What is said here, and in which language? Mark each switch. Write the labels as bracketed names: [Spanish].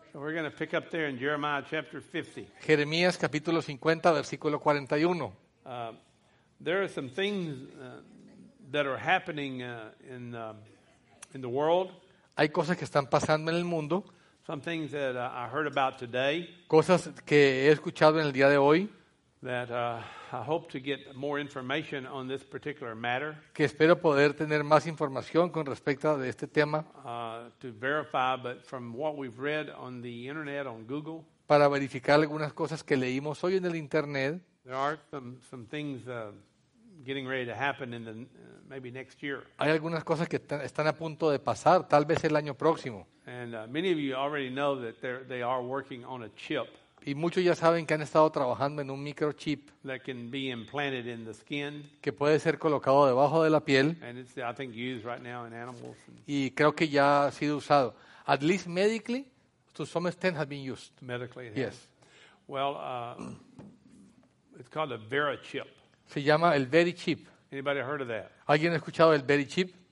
[English] So we're going to pick up there in Jeremiah chapter 50. [Spanish] Jeremías capítulo 50 versículo 41. [English] There are some things that are happening in the world. [Spanish] Hay cosas que están pasando en el mundo. [English] Some things that I heard about today. [Spanish] Cosas que he escuchado en el día de hoy. [English] That I hope to get more information on this particular matter. [Spanish] Que espero poder tener más información con respecto de este tema. [English] To verify, but from what we've read on the internet, on Google. [Spanish] Para verificar algunas cosas que leímos hoy en el internet. [English] There are some things getting ready to happen in the maybe next year. [Spanish] Hay algunas cosas que están a punto de pasar, tal vez el año próximo. [English] And many of you already know that they are working on a chip. [Spanish] Y muchos ya saben que han estado trabajando en un microchip [English] that can be implanted in the skin, [Spanish] que puede ser colocado debajo de la piel. [English] And it's, I think, used right now in animals. [Spanish] Y creo que ya ha sido usado. [English] At least medically, to some extent has been used. Medically, it yes. Has. Well, it's called a VeriChip. [Spanish] Se llama el VeriChip. [English] Anybody heard of that? [Spanish] ¿Alguien ha escuchado el VeriChip?